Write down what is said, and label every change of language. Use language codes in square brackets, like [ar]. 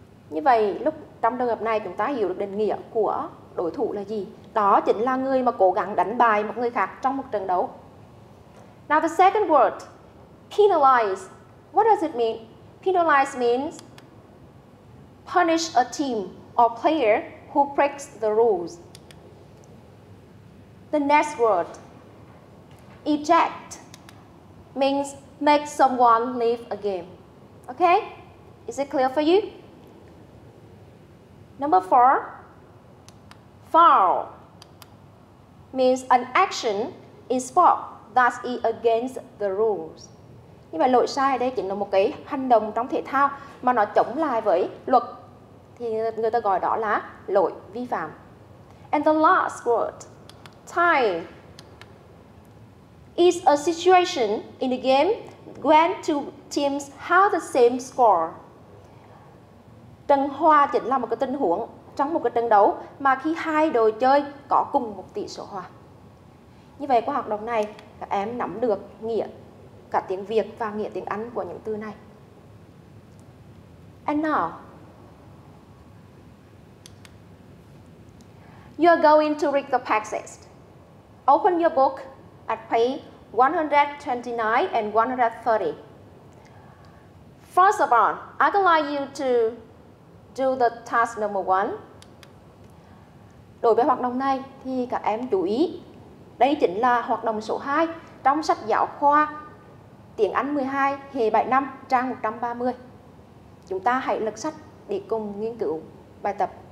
[vi] Như vậy, lúc trong trường hợp này chúng ta hiểu được định nghĩa của đối thủ là gì? Đó chính là người mà cố gắng đánh bại một người khác trong một trận đấu. [en] Now the second word, penalize. What does it mean? Penalize means punish a team or player who breaks the rules. The next word, eject, means make someone leave a game. Okay? Is it clear for you? Number 4, foul, means an action in sport that is against the rules. [vi] Như vậy lỗi sai đây chính là một cái hành động trong thể thao mà nó chống lại với luật, thì người ta gọi đó là lỗi vi phạm. [en] And the last word, tie, is a situation in the game when two teams have the same score. [vi] Trận hòa chính là một cái tình huống trong một cái trận đấu mà khi hai đội chơi có cùng một tỷ số hòa. Như vậy qua hoạt động này, các em nắm được nghĩa cả tiếng Việt và nghĩa tiếng Anh của những từ này. [en] And now, you are going to read the passage. Open your book at page 129 and 130. First of all, I'd like you to do the task number 1. [vi] Đối với hoạt động này thì các em chú ý, đây chính là hoạt động số 2 trong sách giáo khoa tiếng Anh 12 hệ 7 năm trang 130. Chúng ta hãy lật sách để cùng nghiên cứu bài tập.